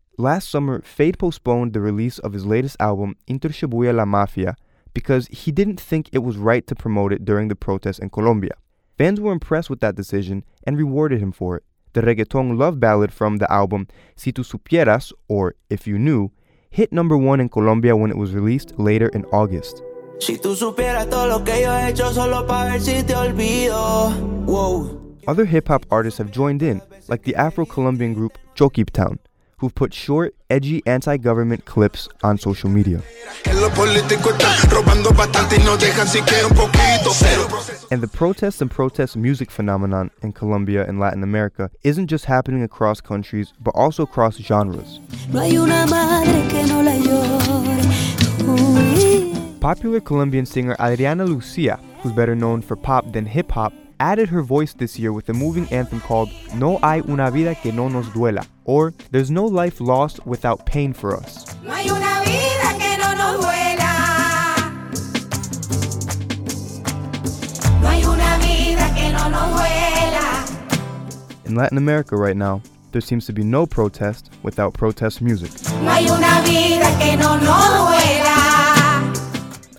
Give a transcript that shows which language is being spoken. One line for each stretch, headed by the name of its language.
English: Last summer, Fade postponed the release of his latest album, Inter Shibuya La Mafia, because he didn't think it was right to promote it during the protests in Colombia. Fans were impressed with that decision and rewarded him for it. The reggaeton love ballad from the album, Si Tu Supieras, or If You Knew, hit number one in Colombia when it was released later in August.
Spanish: Si tu supieras todo lo que yo he hecho solo pa ver si te olvido. Whoa.
English: Other hip-hop artists have joined in, like the Afro-Colombian group Choquiptown, who've put short, edgy anti-government clips on social media. And the protests and protest music phenomenon in Colombia and Latin America isn't just happening across countries, but also across genres. Popular Colombian singer Adriana Lucia, who's better known for pop than hip-hop, added her voice this year with a moving anthem called No Hay Una Vida Que No Nos Duela, or There's No Life Lost Without Pain for Us.
Spanish: No hay una vida que no nos duela. No hay una vida que no nos duela.
English: In Latin America right now, there seems to be no protest without protest music.
Spanish: No hay una vida que no nos duela.